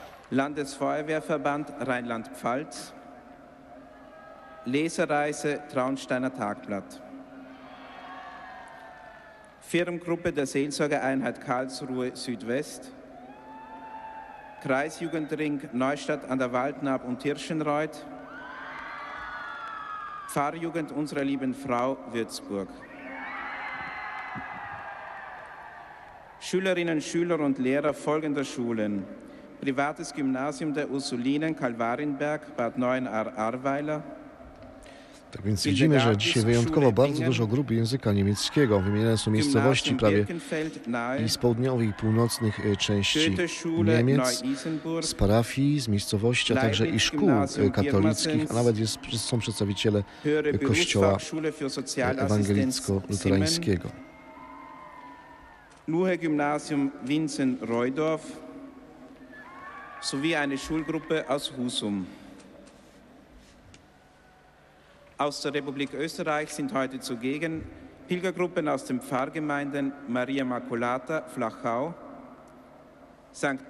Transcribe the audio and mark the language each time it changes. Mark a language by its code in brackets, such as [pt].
[de] Landesfeuerwehrverband Rheinland-Pfalz, Lesereise Traunsteiner Tagblatt, Firmengruppe der Seelsorgeeinheit Karlsruhe Südwest, Kreisjugendring Neustadt an der Waldnaab und Hirschenreuth, Pfarrjugend unserer lieben Frau Würzburg. Schülerinnen, Schüler und Lehrer folgender Schulen: Privates Gymnasium der Ursulinen Kalvarienberg, Bad Neuenahr-Ahrweiler. [pl] Tak więc widzimy, że dzisiaj wyjątkowo bardzo dużo grup języka niemieckiego. Wymienione są miejscowości prawie i z południowej i północnych części Niemiec, z parafii, z miejscowości, a także i szkół katolickich, a nawet są przedstawiciele kościoła ewangelicko-luterańskiego. [de] Luhe Gymnasium Vincent Reudorf sowie eine Schulgruppe aus Husum. Aus der Republik Österreich sind heute zugegen Pilgergruppen aus den Pfarrgemeinden Maria Makulata, Flachau, St.